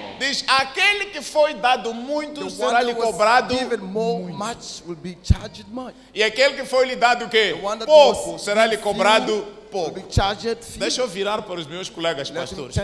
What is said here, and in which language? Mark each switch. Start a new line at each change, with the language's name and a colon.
Portuguese: Diz aquele que foi dado muito será lhe cobrado
English: much will be charged much.
Portuguese: E aquele que foi lhe dado o quê? Pouco será lhe cobrado pouco.
English: Will be charged few.
Portuguese: Deixa eu virar para os meus colegas pastores.